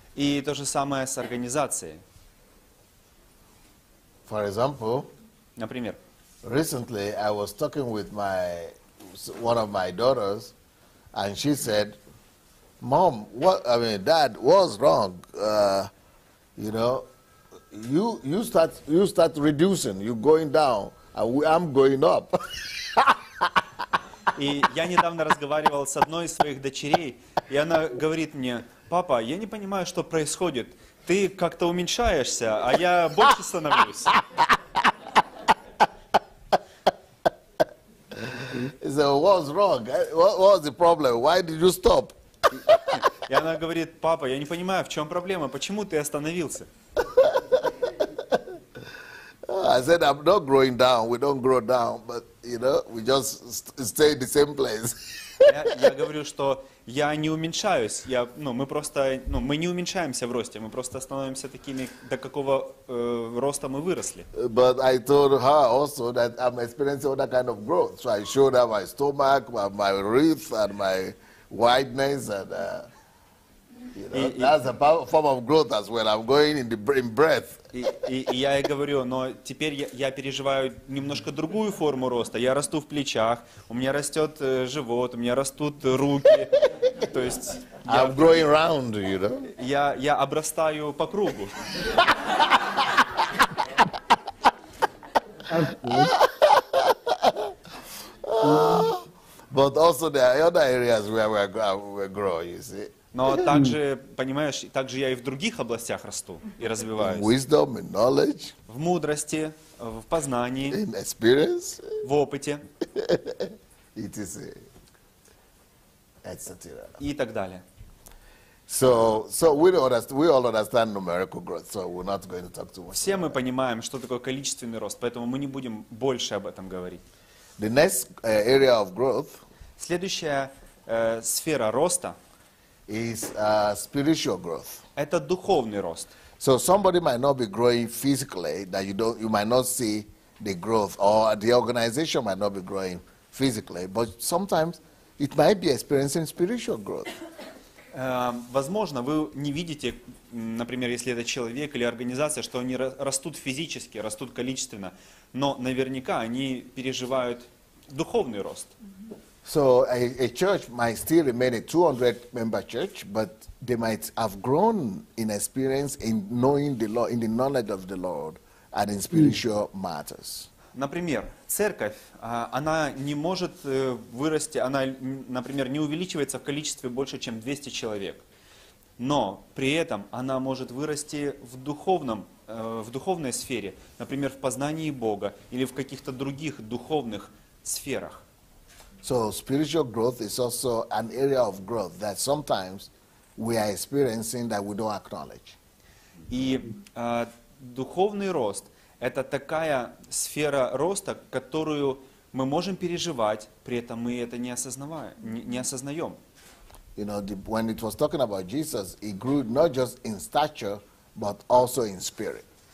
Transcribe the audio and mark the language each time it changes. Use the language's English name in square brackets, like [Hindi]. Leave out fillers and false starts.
[Russian] И то же самое с организацией. [English] For example, [Russian] например, [English] recently I was talking with one of my daughters, and she said, Mom, what I mean, Dad, what's wrong? You know, you start reducing, you're going down, and I'm going up. [Russian] И я недавно разговаривал с одной из своих дочерей, и она говорит мне: «Папа, я не понимаю, что происходит. Ты как-то уменьшаешься, а я больше становлюсь». [English] So what's wrong? What was the problem? Why did you stop? [Russian] И она говорит: «Папа, я не понимаю, в чем проблема? Почему ты остановился?» [English] I said, I'm not growing down. We don't grow down, but you know, we just stay in the same place. [Russian] Я говорю, что я не уменьшаюсь. Я, ну, мы просто, ну, мы не уменьшаемся в росте. Мы просто становимся такими, до какого роста мы выросли. [English] But I told her also that I'm experiencing other kind of growth. So I showed her my stomach, my ribs, and my wideness, and that's a form of growth as well. I'm going in breath. [Russian] И я ей говорю: но теперь я переживаю немножко другую форму роста. Я расту в плечах, у меня растет живот, у меня растут руки. То есть [English] I'm growing round, you know? [Russian] Я обрастаю по кругу. [English] But also there are other areas where we grow, you see. [Russian] Но также, понимаешь, также я и в других областях расту и развиваюсь. [English] In wisdom, in knowledge, [Russian] в мудрости, в познании, [English] in experience, [Russian] в опыте. [English] It is a, et cetera. [Russian] И так далее. [English] So we all understand numerical growth, so we're not going to talk too much. [Russian] Все мы понимаем, что такое количественный рост, поэтому мы не будем больше об этом говорить. [English] The next area of growth. [Russian] Следующая сфера роста. [English] Is spiritual growth. [Russian] Это духовный рост. [English] So somebody might not be growing physically, that you might not see the growth, or the organization might not be growing physically, but sometimes it might be experiencing spiritual growth. [Russian] Возможно, вы не видите, например, если это человек или организация, что они растут физически, растут количественно, но наверняка они переживают духовный рост. [English] So a church might still remain a 200-member church, but they might have grown in experience in knowing the Lord, in the knowledge of the Lord, and in spiritual matters. [Russian] Например, церковь, она не может вырасти, она, например, не увеличивается в количестве больше, чем 200 человек, но при этом она может вырасти в духовной сфере, например, в познании Бога или в каких-то других духовных сферах. [English] So spiritual growth is also an area of growth that sometimes we are experiencing that we don't acknowledge. [Russian] И духовный рост — это такая сфера роста, которую мы можем переживать, при этом мы это не осознаем. [English] You know, when it was talking about Jesus, he grew not just in stature, but also in spirit.